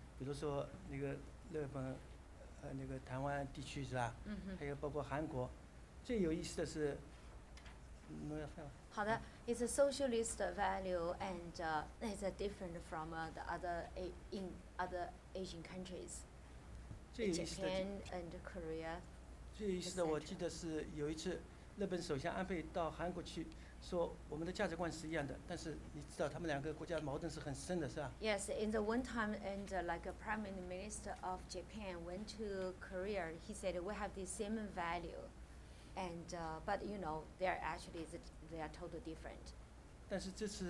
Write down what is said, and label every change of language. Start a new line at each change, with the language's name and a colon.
Chinese: 比如说那个日本，那个台湾地区是吧？还有包括韩国。最有意思的是，没有。好的，
English: it's a socialist value and it's different from the other in other Asian countries. Japan and Korea.
Chinese: 最有意思的，我记得是有一次，日本首相安倍到韩国去。说我们的价值观是一样的，但是你知道他们两个国家矛盾是很深的，是吧？
English: Yes, in the one time, and like a prime minister of Japan went to Korea, he said we have the same value, and but you know they are totally different.